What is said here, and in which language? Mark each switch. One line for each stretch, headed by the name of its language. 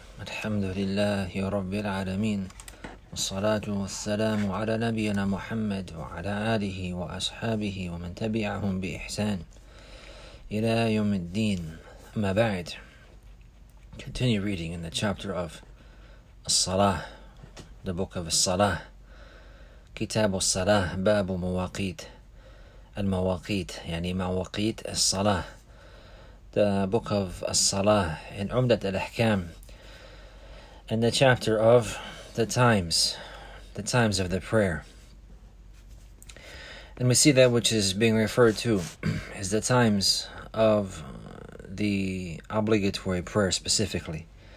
Arabic: الحمد لله رب العالمين، والصلاة والسلام على نبينا محمد وعلى آله وأصحابه ومن تبعهم بإحسان إلى يوم الدين. أما بعد،
English: continue reading in the chapter of الصلاة, the book of الصلاة.
Arabic: كتاب الصلاة باب مواقيت. المواقيت يعني مواقيت الصلاة.
English: The book of الصلاة in عمدة الأحكام. In the chapter of the times of the prayer. And we see that which is being referred to is the times of the obligatory prayer specifically.